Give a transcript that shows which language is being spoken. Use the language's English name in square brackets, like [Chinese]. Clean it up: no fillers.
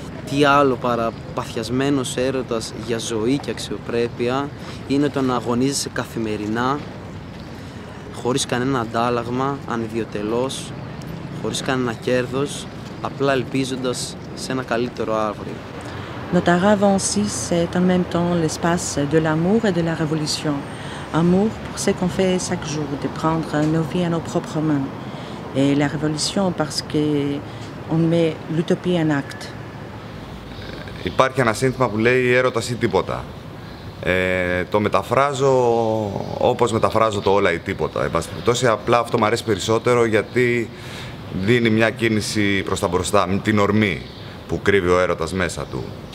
[Greek] Τι άλλο παρά παθιασμένος έρωτας για ζωή και αξιοπρέπεια είναι το να αγωνίζεσαι καθημερινά, χωρίς κανένα αντάλλαγμα, ανιδιοτελώς, χωρίς κανένα κέρδος, απλά ελπίζοντας σε ένα καλύτερο αύριο. [French] Notre avancée, c'est en même temps l'espace de l'amour et de la révolution. Amour pour ce qu'on fait chaque jour, de prendre nos vies à nos propres mains. Et la révolution parce qu'on met l'utopie en acte. [Greek] Υπάρχει ένα σύνθημα που λέει «Έρωτας ή τίποτα». Το μεταφράζω όπως μεταφράζω το «Όλα ή τίποτα». Εν πάση περιπτώσει, απλά αυτό μου αρέσει περισσότερο γιατί δίνει μια κίνηση προς τα μπροστά, την ορμή που κρύβει ο έρωτας μέσα του.